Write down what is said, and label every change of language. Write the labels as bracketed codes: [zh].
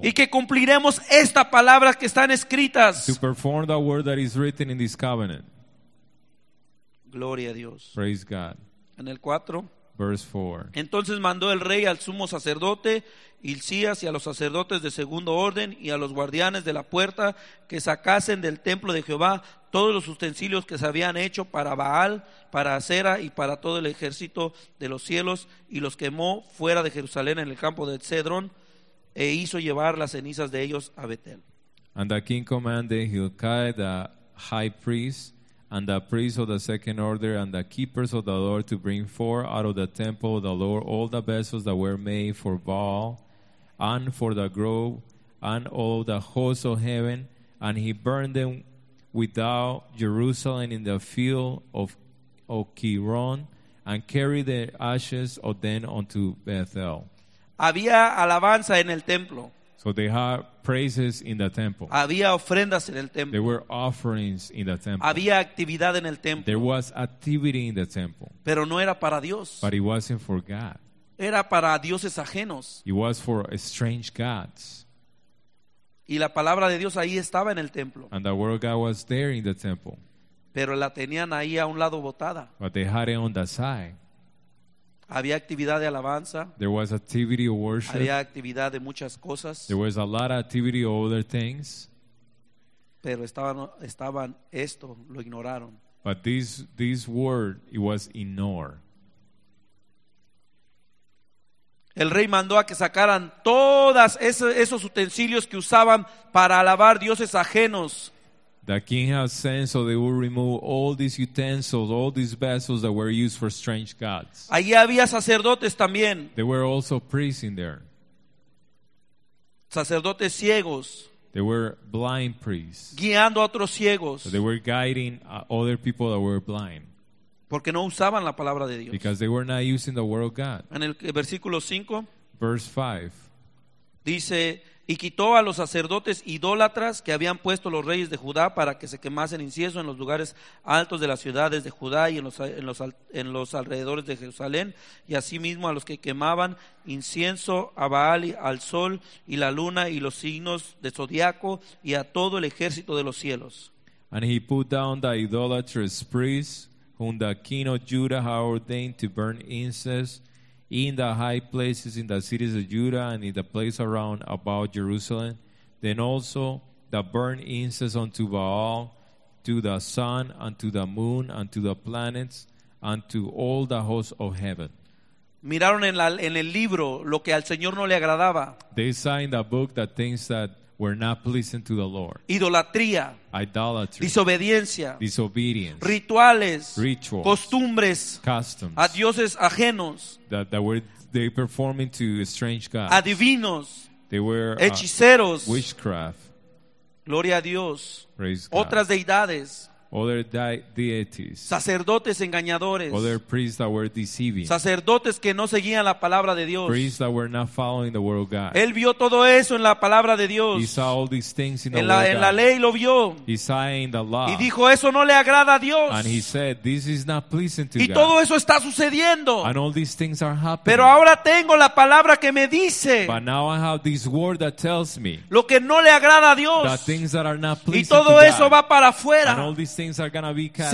[es] Y que cumpliremos esta palabra que están escritas. [en] To perform the word that is written in this covenant. [es] Gloria a Dios. [en] Praise God. [es] En el 4. [en] Verse 4. [es] Entonces mandó el rey al sumo sacerdote Hilcías y a los sacerdotes de segundo orden y a los guardianes de la puerta que sacasen del templo de Jehová todos los utensilios que se habían hecho para Baal, para Asera y para todo el ejército de los cielos, y los quemó fuera de Jerusalén en el campo de Cedrón, e hizo llevar las cenizas de ellos a Betel. [en] And the king commanded Hilkiah the high priest and the priests of the second order and the keepers of the Lord to bring forth out of the temple of the Lord all the vessels that were made for Baal and for the grove and all the hosts of heaven, and he burned them without Jerusalem in the field of Kiron and carried the ashes of them unto Bethel. [es] Había alabanza en el templo. [en] So they had praises in the temple. [es] Había ofrendas en el templo. [en] There were offerings in the temple. [es] Había actividad en el templo. [en] There was activity in the temple. [es] Pero no era para Dios. [en] But it wasn't for God. [es] Era para dioses ajenos. [en] It was for strange gods. [es] Y la palabra de Dios ahí estaba en el templo. [en] And the word of God was there in the temple. [es] Pero la tenían ahí a un lado botada. [en] But they had it on the side. [es] Había actividad de alabanza. [en] There was activity of worship. [es] Había actividad de muchas cosas. [en] There was a lot of activity of other things. [es] Pero estaban esto, lo ignoraron. [en] But this word, it was ignored. [es] El rey mandó a que sacaran todas esos utensilios que usaban para alabar dioses ajenos. [en] The king has sent, so they will remove all these utensils, all these vessels that were used for strange gods. [es] Allí había sacerdotes también. [en] There were also priests in there. [es] Sacerdotes ciegos. [en] They were blind priests. [es] Guiando a otros ciegos. [en] So they were guiding other people that were blind. [es] Porque no usaban la palabra de Dios. [en] Because they were not using the word of God. [es] En el versículo 5. [en] Verse 5. [es] Dice, y quitó a los sacerdotes idólatras que habían puesto los reyes de Judá para que se quemasen incienso en los lugares altos de las ciudades de Judá y en los alrededores de Jerusalén, y asimismo a los que quemaban incienso a Baal y al sol y la luna y los signos de zodiaco y a todo el ejército de los cielos. [en] And he put down the idolatrous priests whom the king of Judah had ordained to burn incense in the high places in the cities of Judah and in the place around about Jerusalem, then also the burnt incense unto Baal, to the sun and to the moon and to the planets and to all the hosts of heaven. [es] Miraron en el libro lo que al Señor no le agradaba. [en] They saw in the book the things that were not pleasing to the Lord. [es] Idolatría. [en] Idolatry. [es] Disobediencia. [en] Disobedience. [es] Rituales. [en] Rituals. [es] Costumbres. [en] Customs. [es] A dioses ajenos. [en] That were they performing to strange gods. [es] Adivinos. [en] They were [es] hechiceros. [en] Witchcraft. [es] Gloria a Dios. [en] Praise God. [es] Otras deidades. [en] Other deities. [es] Sacerdotes engañadores. [en] Other priests that were deceiving. [es] Sacerdotes que no seguían la palabra de Dios. [en] Priests that were not following the word of God. [es] Él vio todo eso en la palabra de Dios. [en] He saw all these things in the word of God. [es] En la ley lo vio. [en] He saw it in the law. [es] Y dijo, eso no le agrada a Dios. [en] And he said, this is not pleasing to God. [es] Y todo eso está sucediendo. [en] And all these things are happening. [es] Pero ahora tengo la palabra que me dice. [en] But now I have this word that tells me. [es] Lo que no le agrada a Dios. [en] The things that are not pleasing to God. [es] Y todo eso va para afuera. [en] And all these things are going to be cast